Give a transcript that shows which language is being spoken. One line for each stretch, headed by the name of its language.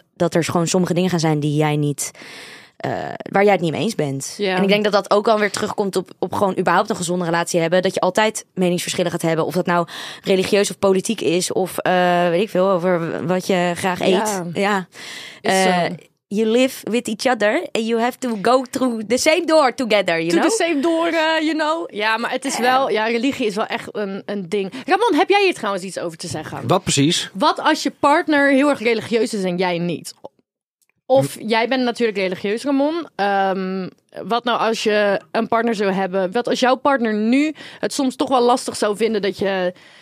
Dutch: dat er gewoon sommige dingen gaan zijn die jij niet waar jij het niet mee eens bent. Ja. En ik denk dat dat ook alweer terugkomt op gewoon überhaupt een gezonde relatie hebben. Dat je altijd meningsverschillen gaat hebben. Of dat nou religieus of politiek is. Of weet ik veel, over wat je graag eet. Ja.
English: You live with each other and you have to go through the same door together, you to know? To the same door, you know?
Dutch: Ja, maar het is wel... Ja, religie is wel echt een ding. Ramon, heb jij hier trouwens iets over te zeggen? Wat precies? Wat als je partner heel erg religieus is en jij niet? Of jij bent natuurlijk religieus, Ramon. Wat nou als je een partner zou hebben... Wat als jouw partner nu het soms toch wel lastig zou vinden dat je...